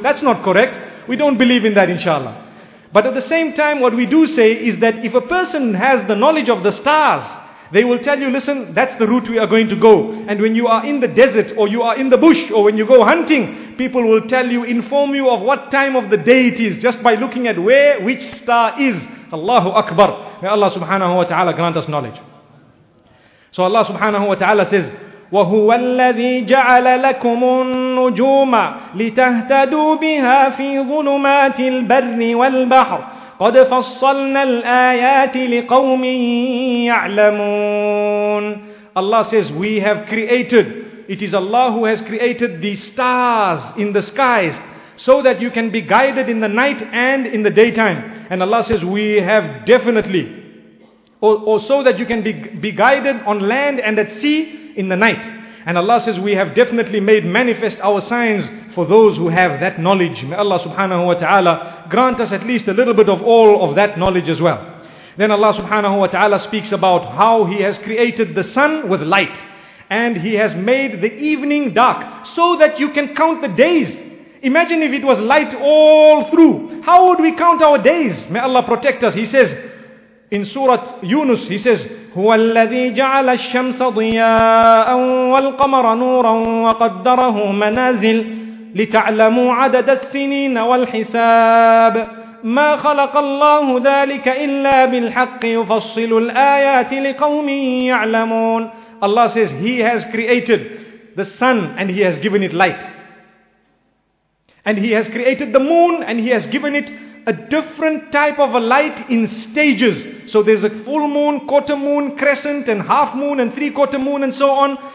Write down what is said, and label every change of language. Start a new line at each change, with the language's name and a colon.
English: That's not correct. We don't believe in that, inshallah. But at the same time, what we do say is that if a person has the knowledge of the stars, they will tell you, listen, that's the route we are going to go. And when you are in the desert, or you are in the bush, or when you go hunting, people will tell you, inform you of what time of the day it is, just by looking at where which star is. Allahu Akbar. May Allah subhanahu wa ta'ala grant us knowledge. So Allah subhanahu wa ta'ala says,
Arabic: وَهُوَ الَّذِي جَعَلَ لَكُمُ النُّجُومَ لِتَهْتَدُوا بِهَا فِي ظُلُمَاتِ الْبَرِّ وَالْبَحْرِ قَدْ فَصَّلْنَا الْآيَاتِ لِقَوْمٍ يَعْلَمُونَ.
English: Allah says, we have created, it is Allah who has created the stars in the skies so that you can be guided in the night and in the daytime. And Allah says, we have definitely, or so that you can be guided on land and at sea in the night. And Allah says, we have definitely made manifest our signs for those who have that knowledge. May Allah subhanahu wa ta'ala grant us at least a little bit of all of that knowledge as well. Then Allah subhanahu wa ta'ala speaks about how He has created the sun with light, and He has made the evening dark so that you can count the days. Imagine if it was light all through. How would we count our days? May Allah protect us. He says in Surah Yunus, He says,
Arabic: هو الذي جعل الشمس ضياء والقمر نورا وقدره منازل لتعلموا عدد السنين والحساب ما خلق الله ذلك إلا بالحق يفصل الآيات لقوم يعلمون.
English: Allah says, He has created the sun and He has given it light. And He has created the moon and He has given it a different type of a light in stages. So there's a full moon, quarter moon, crescent, and half moon, and three quarter moon, and so on.